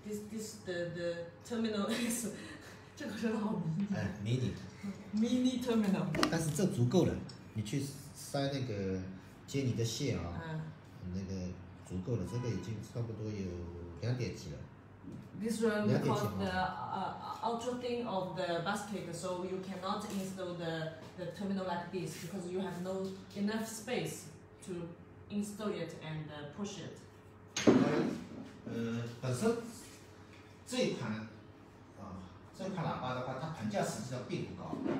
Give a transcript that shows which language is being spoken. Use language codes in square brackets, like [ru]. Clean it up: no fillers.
[en] This the terminal is [zh] 这个是好 [en] mini terminal， [zh] 但是这足够了，你去塞那个。接你的线啊，那个足够了，这个已经差不多有两点几了。 [en] This one we call the ultra thin of the basket, so you cannot install the terminal like this because you have no enough space to install it and push it. [zh] 本身这款喇叭的话，它棚架实际上并不高，